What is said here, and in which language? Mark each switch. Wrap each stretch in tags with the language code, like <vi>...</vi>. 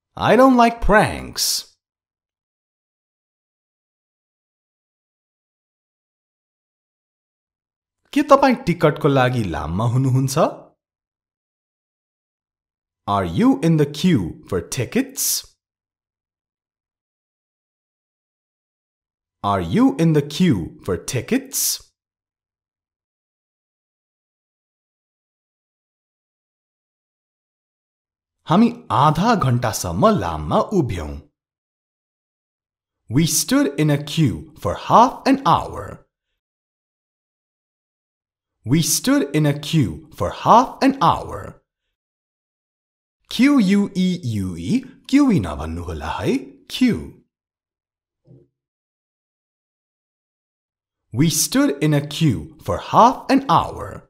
<en>I don't like pranks.</en> <ne>के तपाईं टिकटको लागि लाममा हुनुहुन्छ?</ne> <en>Are you in the queue for tickets? Are you in the queue for tickets?</en> <ne>हामी आधा घण्टासम्म लाममा उभ्यौं.</ne> <en>We stood in a queue for half an hour. We stood in a queue for half an hour.</en> <ne>Q-U-E-U-E, Q-E न भन्नु होला है, Q.</ne> <en>We stood in a queue for half an hour.</en>